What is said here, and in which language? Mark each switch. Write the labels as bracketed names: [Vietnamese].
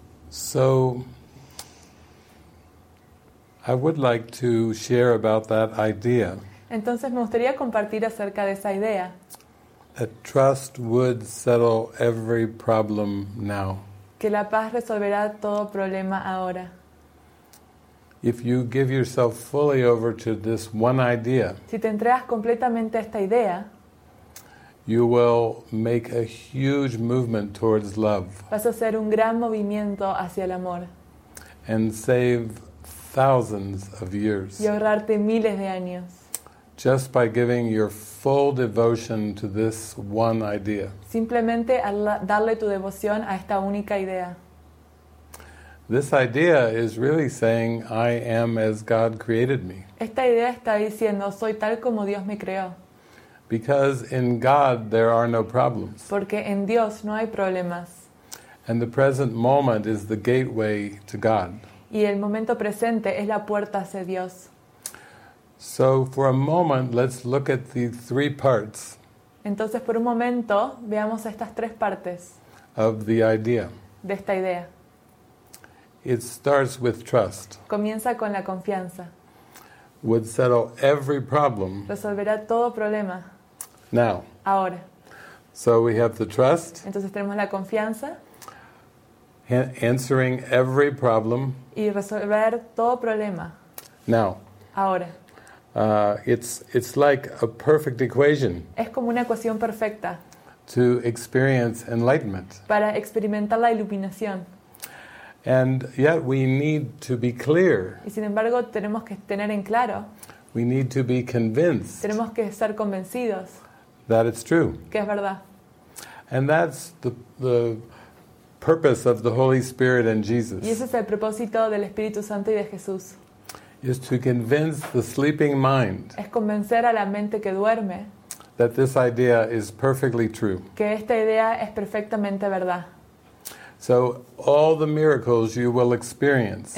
[English] So, I would like to share about that idea. [Spanish] Entonces, me gustaría compartir acerca de esa idea. [English] A trust would settle every problem now. [Spanish] Que la paz resolverá todo problema ahora. [English] If you give yourself fully over to this one idea, [Spanish] si te entregas completamente a esta idea, [English] you will make a huge movement towards love. [Spanish] Vas a hacer un gran movimiento hacia el amor. [English] And save thousands of years. [Spanish] Y ahorrarte miles de años. [English] Just by giving your full devotion to this one idea. [Spanish] Simplemente darle tu devoción a esta única idea. [English] This idea is really saying, I am as God created me. [Spanish] Esta idea está diciendo, soy tal como Dios me creó. [English] Because in God there are no problems. [Spanish] Porque en Dios no hay problemas. [English] And the present moment is the gateway to God. [Spanish] Y el momento presente es la puerta hacia Dios. [English] So for a moment, let's look at the three parts. [Spanish] Entonces, por un momento, veamos estas tres partes. [English] Of the idea. [Spanish] De esta idea. [English] It starts with trust. [Spanish] Comienza con la confianza. [English] Would settle every problem. [Spanish] Resolverá todo problema. [English] Now. [Spanish] Ahora. [English] So we have the trust. [Spanish] Entonces tenemos la confianza. [English] answering every problem. [Spanish] Y resolver todo problema. [English] Now. [Spanish] Ahora. [English] It's like a perfect equation. [Spanish] Es como una ecuación perfecta. [English] To experience enlightenment. [Spanish] Para experimentar la iluminación. [English] And yet we need to be clear. [Spanish] Y sin embargo tenemos que tener en claro. [English] We need to be convinced. [Spanish] Tenemos que estar convencidos. [English] That it's true. [Spanish] Que es verdad. [English] And that's the purpose of the Holy Spirit and Jesus. [Spanish] Y ese es el propósito del Espíritu Santo y de Jesús. [English] Is to convince the sleeping mind. [Spanish] Es convencer a la mente que duerme. [English] That this idea is perfectly true. [Spanish] Que esta idea es perfectamente verdad. [English] So all the miracles you will experience.